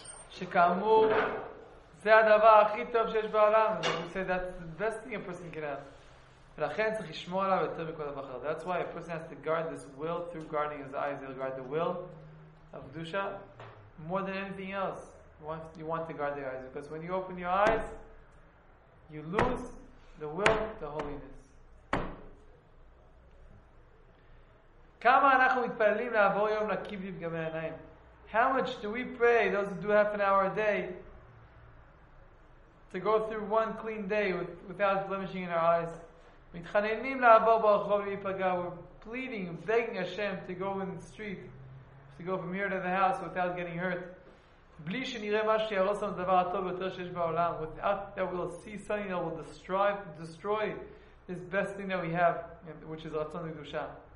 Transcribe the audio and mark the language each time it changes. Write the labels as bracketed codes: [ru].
[he] שכאמור, זה הדבר הכי טוב שיש בעולם. [en] You say that's the best thing a person can have. [he] ולכן צריך לשמור עליו יותר מכל דבר אחר. [en] That's why a person has to guard this will through guarding his eyes. He'll guard the will of Dusha more than anything else. You want to guard your eyes. Because when you open your eyes, you lose the will to holiness. [he] כמה אנחנו מתפללים לעבור יום נקי בלי פגמי עיניים? [en] How much do we pray, those who do half an hour a day, to go through one clean day without blemishing in our eyes? [he] מתחננים לעבור ברחוב בלי פגע. [en] We're pleading, begging Hashem to go in the street, to go from here to the house without getting hurt. [he] בלי שנראה משהו שיהרוס לנו דבר הטוב ביותר שיש בעולם. [en] Without that we'll see something that will destroy this best thing that we have, which is רצון לקדושה.